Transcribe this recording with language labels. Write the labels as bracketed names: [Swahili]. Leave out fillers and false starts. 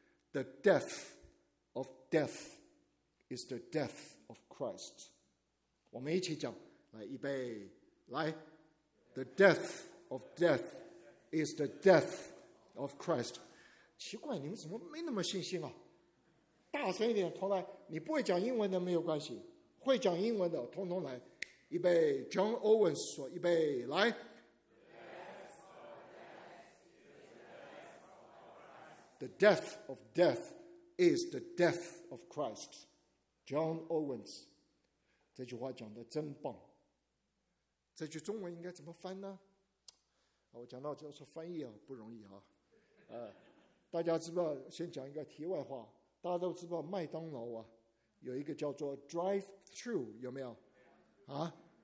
[English] The death of death is the death of Christ. [Chinese] 我们一起讲，来，预备，来。 [English] The death of death is the death of Christ. [Chinese] 奇怪，你们怎么没那么信心啊？大声一点，同来，你不会讲英文的没有关系，会讲英文的通通来。预备， John Owens 说，预备，来。 [English] The death of death is the death of Christ. [Chinese] John Owens. 这句话讲得真棒。这句中文应该怎么翻呢？我讲到就是翻译啊，不容易啊。大家知道，先讲一个题外话。大家都知道麦当劳啊，有一个叫做 drive-thru, 有没有？啊？